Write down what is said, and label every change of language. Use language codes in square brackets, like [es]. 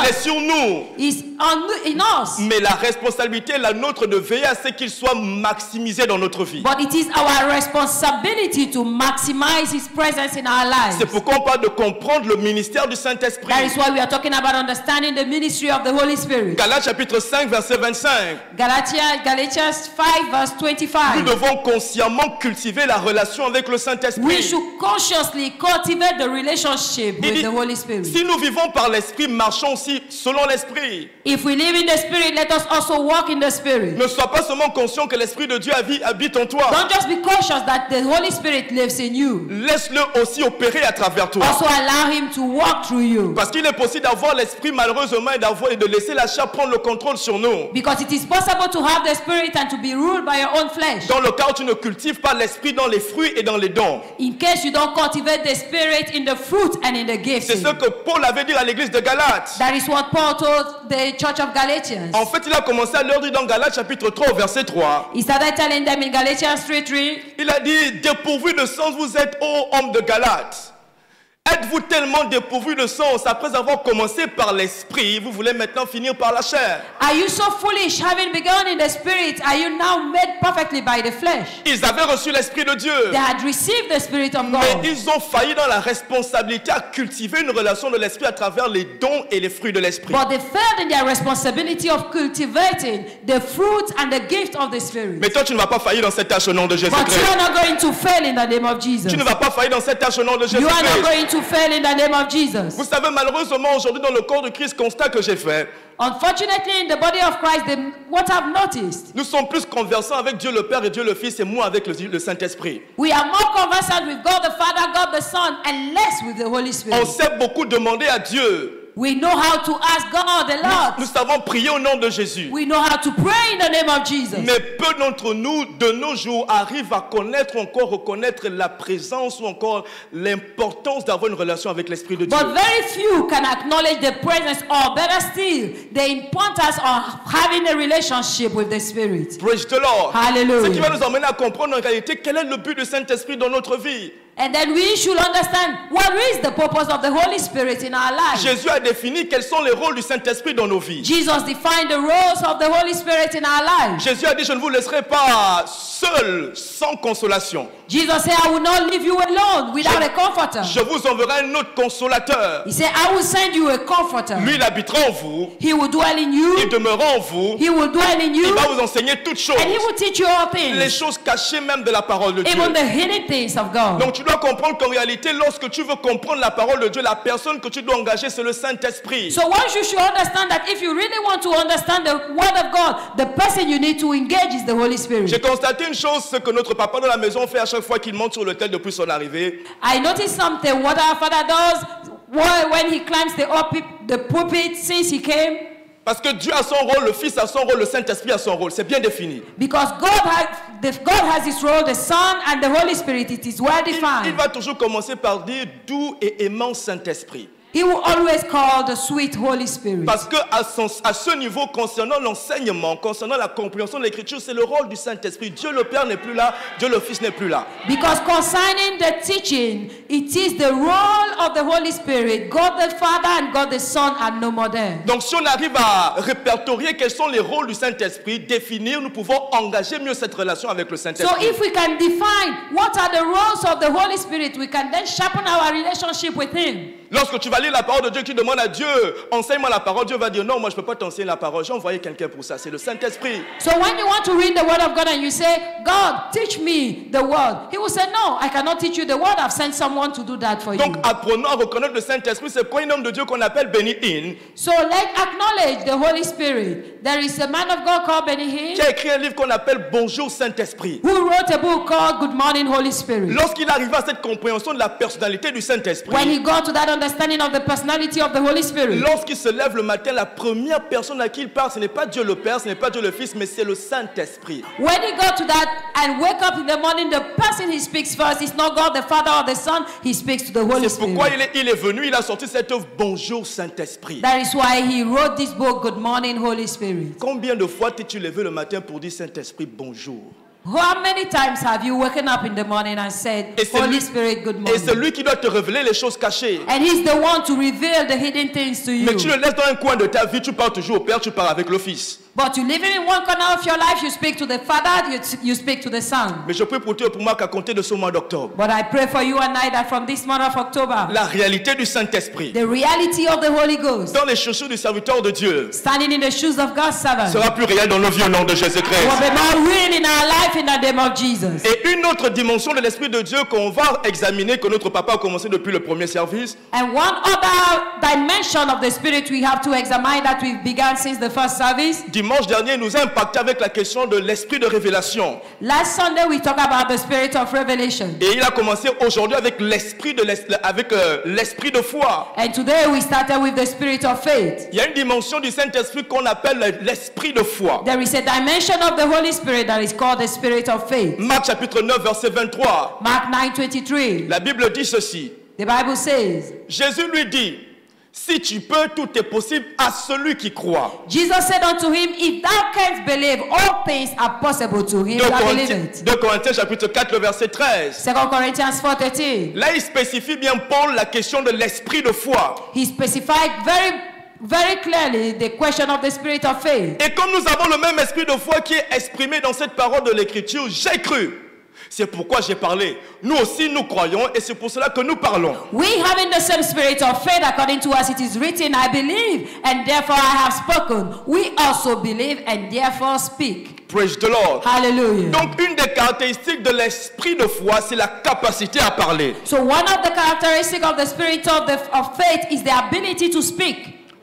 [fr] Il est sur nous. [en] He's on, in us. [fr] Mais la responsabilité est la nôtre de veiller à ce qu'il soit maximisé dans notre vie. [en] But it is our responsibility to maximize his presence in our lives. [fr] C'est pourquoi on parle de comprendre le ministère du Saint-Esprit. [en] That is why we are talking about understanding the ministry of the Holy Spirit. [fr] Galates chapitre 5 verset 25. [en] Galatians 5 verse 25. [fr] Nous devons consciemment cultiver la relation avec le Saint-Esprit. [en] We should consciously cultivate the relationship with the Holy Spirit. [fr] Si nous vivons par l'Esprit, marchons aussi selon l'Esprit. [en] If we live in the Spirit, let us also walk in the Spirit. [fr] Ne sois pas seulement conscient que l'Esprit de Dieu habite en toi. [en] Don't just be conscious that the Holy Spirit lives in you. [fr] Laisse-le aussi opérer à travers toi. [en] Also allow him to walk through you. [fr] Parce qu'il est possible d'avoir l'Esprit malheureusement et de laisser la chair prendre le contrôle sur nous. [en] Because it is possible to have the Spirit and to be ruled by your own flesh. [fr] Dans le cas où tu ne cultives pas l'esprit dans les fruits et dans les dons. [en] In case you don't cultivate the spirit in the fruit and in the gifts. [fr] C'est ce que Paul avait dit à l'église de Galates. [en] That is what Paul told the church of Galatians. [fr] En fait, il a commencé à leur dire dans Galates chapitre 3 verset 3. [en] He started telling them in Galatians 3:3. [fr] Il a dit, dépourvu de sens vous êtes, ô homme de Galates. Êtes-vous tellement dépourvu de sens après avoir commencé par l'esprit, vous voulez maintenant finir par la chair? [en] Are you so foolish, having begun in the spirit, are you now made perfectly by the flesh? [fr] Ils avaient reçu l'esprit de Dieu. [en] They had received the spirit of God. [fr] Mais ils ont failli dans la responsabilité à cultiver une relation de l'esprit à travers les dons et les fruits de l'esprit. [en] But they failed in their responsibility of cultivating the fruit and the gift of the spirit. [fr] Mais toi, tu ne vas pas faillir dans cette tâche au nom de Jésus-Christ. [en] But you are not going to fail in the name of Jesus. [fr] Tu ne vas pas faillir dans cette tâche au nom de Jésus-Christ. [en] To fail in the name of Jesus. [fr] Vous savez, malheureusement, aujourd'hui, dans le corps de Christ, constat que j'ai fait. [en] Unfortunately, in the body of Christ, what I've noticed. [fr] Nous sommes plus conversants avec Dieu le Père et Dieu le Fils et moins avec le Saint-Esprit. [en] We are more conversant with God the Father, God the Son, and less with the Holy Spirit. [fr] On sait beaucoup demander à Dieu. [en] We know how to ask God a lot. [fr] Nous savons prier au nom de Jésus. [en] We know how to pray in the name of Jesus. [fr] Mais peu d'entre nous, de nos jours, arrivent à connaître ou encore reconnaître la présence ou encore l'importance d'avoir une relation avec l'Esprit de Dieu. [en] But very few can acknowledge the presence or better still, the importance of having a relationship with the Spirit. Praise the Lord. Hallelujah. [fr] Ce qui va nous amener à comprendre en réalité quel est le but du Saint-Esprit dans notre vie. [en] And then we should understand what is the purpose of the Holy Spirit in our life. [fr] Jésus a défini quels sont les rôles du Saint-Esprit dans nos vies. [en] Jesus defined the roles of the Holy Spirit in our life. [fr] Jésus a dit, je ne vous laisserai pas seul, sans consolation. [en] Jesus said, I will not leave you alone without a comforter. [fr] Je vous enverrai un autre consolateur. [en] He said, I will send you a comforter. [fr] Lui, il habitera en vous. [en] He will dwell in you. [fr] Il demeurera en vous. [en] He will dwell in you. [fr] Il va vous enseigner toutes choses. [en] And he will teach you all things. [fr] Les choses cachées même de la parole de [en] Even Even the hidden things of God. [fr] Donc, tu dois comprendre qu'en réalité, lorsque tu veux comprendre la parole de Dieu, la personne que tu dois engager, c'est le Saint-Esprit. [en] So once you should understand that if you really want to understand the word of God, the person you need to engage is the Holy Spirit. [fr] J'ai constaté une chose, ce que notre papa dans la maison fait à chaque fois qu'il monte sur l'autel depuis son arrivée. [en] I noticed something, what our father does when he climbs the pulpit since he came. [fr] Parce que Dieu a son rôle, le Fils a son rôle, le Saint-Esprit a son rôle. C'est bien défini. [en] Because God has his role, the Son and the Holy Spirit, it is well defined. [fr] Il va toujours commencer par dire doux et aimant Saint-Esprit. [en] He will always call the sweet Holy Spirit. [fr] Parce que à ce niveau, concernant l'enseignement, concernant la compréhension de l'Écriture, c'est le rôle du Saint-Esprit. Dieu le Père n'est plus là, Dieu le Fils n'est plus là. [en] Because concerning the teaching, it is the role of the Holy Spirit. God the Father and God the Son are no more there. [fr] Donc si on arrive à répertorier quels sont les rôles du Saint-Esprit, définir, nous pouvons engager mieux cette relation avec le Saint-Esprit. [en] So if we can define what are the roles of the Holy Spirit, we can then sharpen our relationship with Him. [fr] Lorsque tu vas lire la parole de Dieu, tu demandes à Dieu, enseigne-moi la parole. Dieu va dire, non, moi je ne peux pas t'enseigner la parole. J'ai envoyé quelqu'un pour ça, c'est le Saint-Esprit. [en] So when you want to read the word of God and you say, God, teach me the word. He will say, no, I cannot teach you the word. I've sent someone to do that for you. [fr] Donc apprenons à reconnaître le Saint-Esprit. C'est quoi un homme de Dieu qu'on appelle Benihin? [en] So let's acknowledge the Holy Spirit. There is a man of God called Benihin. [fr] Qui a écrit un livre qu'on appelle Bonjour Saint-Esprit. [en] Who wrote a book called Good Morning Holy Spirit. [fr] Lorsqu'il arrive à cette compréhension de la personnalité du Saint-Esprit. [en] When he got to that understanding of the personality of the Holy Spirit. [fr] Lorsqu'il se lève le matin, la première personne à qui il parle, ce n'est pas Dieu le Père, ce n'est pas Dieu le Fils, mais c'est le Saint-Esprit. [en] When he got to that and wake up in the morning, the person he speaks first is not God the Father or the Son, he speaks to the Holy Spirit. [fr] C'est pourquoi il est venu, il a sorti cette œuvre Bonjour Saint-Esprit. [en] That is why he wrote this book Good Morning Holy Spirit. [fr] Combien de fois t'es-tu levé le matin pour dire Saint-Esprit bonjour? [en] How many times have you woken up in the morning and said, Holy Spirit, good morning? [fr] Et c'est lui qui doit te révéler les choses cachées. [en] And he's the one to reveal the hidden things to you. [fr] Mais tu le laisses dans un coin de ta vie, tu pars toujours au Père, tu pars avec le Fils. [en] But you live in one corner of your life, you speak to the Father, you speak to the Son. [fr] Mais je prie pour toi et pour moi qu'à compter de ce mois d'octobre. [en] But I pray for you and I that from this month of October. [fr] La réalité du Saint-Esprit. [en] The reality of the Holy Ghost. [fr] Dans les chaussures du serviteur de Dieu. [en] Standing in the shoes of God's servant. [fr] Sera plus réel dans nos vies au nom de Jésus-Christ. [en] Will be more real in our life in the name of Jesus. [fr] Et une autre dimension de l'Esprit de Dieu qu'on va examiner, que notre papa a commencé depuis le premier service. [en] And one other dimension of the Spirit we have to examine that we've began since the first service. [fr] Dimanche dernier, nous a impacté avec la question de l'esprit de révélation. [en] Last Sunday, we talked about the spirit of revelation. [fr] Et il a commencé aujourd'hui avec l'esprit de foi. [en] And today, we started with the spirit of faith. [fr] Il y a une dimension du Saint-Esprit qu'on appelle l'esprit de foi. [en] There is a dimension of the Holy Spirit that is called the spirit of faith. [fr] Marc chapitre 9, verset 23. [en] Mark 9, 23. [fr] La Bible dit ceci. [en] The Bible says. [fr] Jésus lui dit. Si tu peux, tout est possible à celui qui croit. [en] Jesus said unto him, if thou canst believe, all things are possible to him that believe it. [fr] 2 Corinthiens chapitre 4 verset 13. [en] 2 Corinthians 4, 13. [fr] Là il spécifie bien Paul la question de l'esprit de foi. [en] He specified very clearly the question of the spirit of faith. [fr] Et comme nous avons le même esprit de foi qui est exprimé dans cette parole de l'écriture, j'ai cru. C'est pourquoi j'ai parlé. Nous aussi, nous croyons et c'est pour cela que nous parlons. [en] We have in the same spirit of faith according to us it is written, I believe and therefore I have spoken. We also believe and therefore speak. Praise the Lord. Hallelujah. [fr] Donc, une des caractéristiques de l'esprit de foi, c'est la capacité à parler. [en] So one of the characteristics of the spirit of faith is the ability to speak.